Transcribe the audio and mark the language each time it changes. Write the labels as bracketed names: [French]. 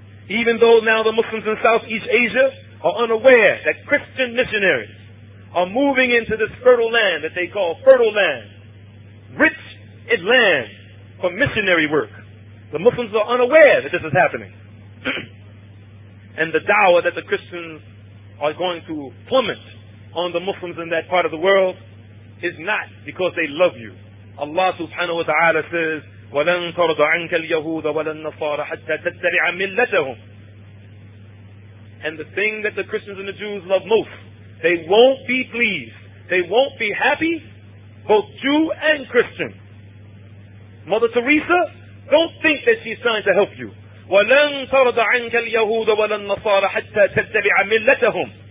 [English] Even though now the Muslims in Southeast Asia are unaware that Christian missionaries are moving into this fertile land that they call fertile land, rich in land for missionary work. The Muslims are unaware that this is happening. And the dawah that the Christians are going to plummet on the Muslims in that part of the world is not because they love you. [Arabic] Allah subhanahu wa ta'ala says, وَلَنْ تَرْضَ عَنْكَ الْيَهُودَ وَلَنْ نَصَارَ حَتَّى تَتَّبِعَ مِلَّتَهُمْ. [English] And the thing that the Christians and the Jews love most, they won't be pleased. They won't be happy, both Jew and Christian. Mother Teresa, don't think that she's trying to help you. [Arabic] وَلَنْ تَرْضَ عَنْكَ الْيَهُودَ وَلَنْ نَصَارَ حَتَّى تَتَّبِعَ مِلَّتَهُمْ.